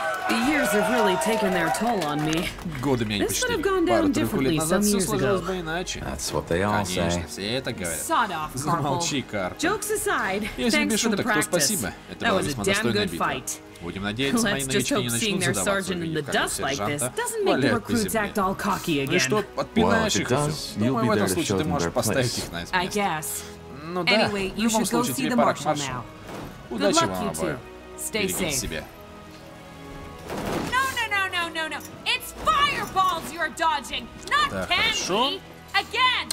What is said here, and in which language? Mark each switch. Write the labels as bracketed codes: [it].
[en] The years have really taken their toll on me. [ru] Годы меня не почитали. [en] This would have gone down differently some years ago. That's what they all say. [ru] Конечно, все это говорят. [en] Sod off, Carpool. [ru] Замолчи, Карп. [en] Jokes aside, thanks for the practice. That was a damn good fight. [ru] Будем надеяться, мои новички не начнут задаваться в виде хорошего сержанта. [en] Doesn't make the recruits act all cocky again. [ru] Ну что, подпинаешь их? Думаю, в этом случае ты можешь поставить их на место. [en] I guess. [ru] Ну да, в любом случае, тебе пора к маршалу. Удачи вам обоим. Берегите себя. [en] No! It's fireballs you're dodging, not candy. Again.